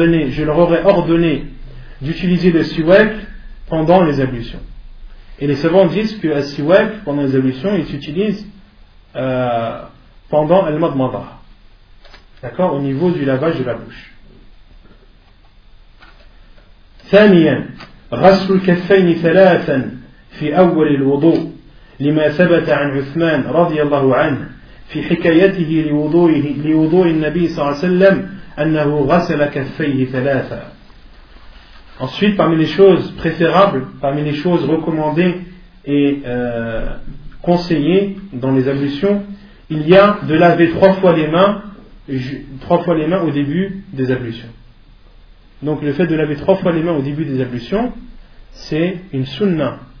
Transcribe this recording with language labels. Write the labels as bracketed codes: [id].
[fr] Je leur aurais ordonné d'utiliser le siwak pendant les ablutions. Et les savants disent que le siwak pendant les ablutions, il s'utilise pendant al-madmada. D'accord ? Au niveau du lavage de la bouche. [ar] ثانيا غسل الكفين ثلاثا في أول الوضوء لما ثبت عن عثمان رضي الله عنه في حكايته لوضوء النبي صلى الله عليه وسلم أنه غسل كفيه ثلاثا. [fr] Ensuite, parmi les choses préférables, parmi les choses recommandées et conseillées dans les ablutions, il y a de laver trois fois les mains au début des ablutions. Donc le fait de laver trois fois les mains au début des ablutions, c'est une sunna.